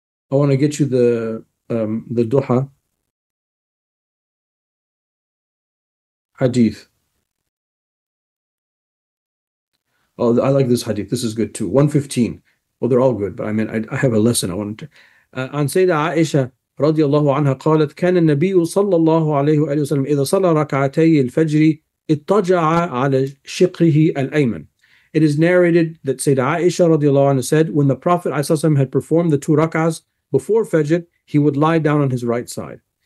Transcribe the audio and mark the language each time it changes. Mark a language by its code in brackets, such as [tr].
[en] I want to get you the Duha hadith. Oh, I like this hadith. This is good too. 115. Well, they're all good, but I mean, I have a lesson I wanted to. [ar] عن سيدة عائشة رضي الله عنها قالت كان النبي صلى الله عليه وسلم إذا صلى ركعتي الفجر اتجع على شقه الأيمن. [en] It is narrated that Sayyidina Aisha radiallahu anhu said, when the Prophet ﷺ had performed the two rak'ahs before Fajr, he would lie down on his right side.